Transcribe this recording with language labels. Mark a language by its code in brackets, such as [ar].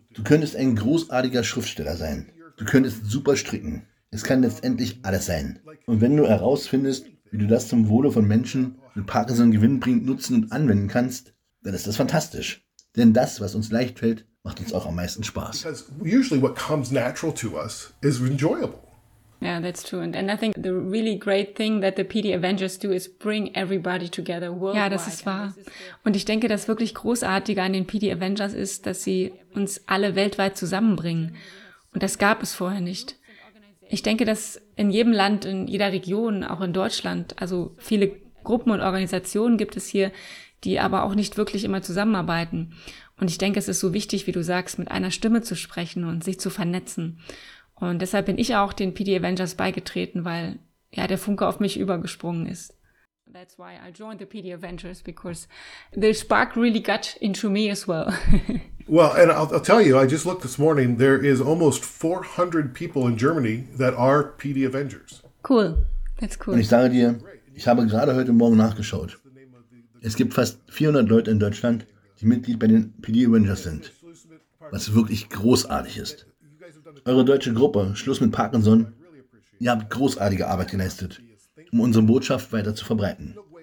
[de] Du könntest ein großartiger Schriftsteller sein. Du könntest super stricken. Es kann letztendlich alles sein. Und wenn du herausfindest, wie du das zum Wohle von Menschen mit Parkinson gewinnbringend nutzen und anwenden kannst, dann ist das fantastisch. Denn das, was uns leicht fällt, macht uns auch am meisten Spaß. [en] Because usually what comes natural to us is enjoyable. Yeah, that's true. And I think the really great thing that the PD Avengers do is bring everybody together worldwide. [de] Ja, das ist wahr. Und ich denke, das wirklich Großartige an den PD Avengers ist, dass sie uns alle weltweit zusammenbringen. Und das gab es vorher nicht. Ich denke, dass in jedem Land, in jeder Region, auch in Deutschland, also viele Gruppen und Organisationen gibt es hier, die aber auch nicht wirklich immer zusammenarbeiten. Und ich denke, es ist so wichtig, wie du sagst, mit einer Stimme zu sprechen und sich zu vernetzen. Und deshalb bin ich auch den PD Avengers beigetreten, weil ja der Funke auf mich übergesprungen ist. [en] That's why I joined the PD Avengers, because the spark really got into me as well. Well, and I'll tell you, I just looked this morning, there is almost 400 people in Germany that are PD Avengers. Cool, that's cool. [de] Und ich sage dir, ich habe gerade heute Morgen nachgeschaut. Es gibt fast 400 Leute in Deutschland, die Mitglied bei den PD Avengers sind, was wirklich großartig ist. Eure deutsche Gruppe, Schluss mit Parkinson, ihr habt großartige Arbeit geleistet, um unsere Botschaft weiter zu verbreiten.